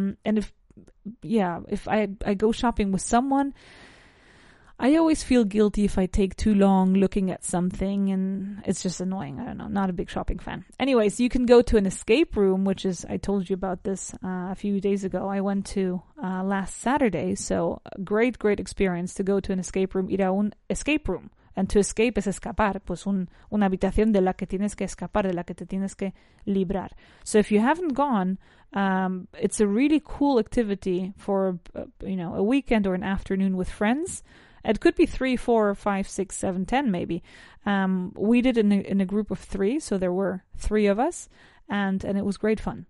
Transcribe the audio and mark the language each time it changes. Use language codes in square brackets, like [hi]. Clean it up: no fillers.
[en] And if I go shopping with someone, I always feel guilty if I take too long looking at something, and it's just annoying. I don't know. Not a big shopping fan. Anyways, you can go to an escape room, which is, I told you about this a few days ago. I went to last Saturday. So a great, great experience to go to an escape room, [es] ir a un escape room. [en] And to escape is escapar, [es] pues una habitación de la que tienes que escapar, de la que te tienes que librar. [en] So if you haven't gone, it's a really cool activity for, you know, a weekend or an afternoon with friends. It could be 3, 4, 5, 6, 7, 10, maybe. We did it in a group of three, so there were three of us, and it was great fun.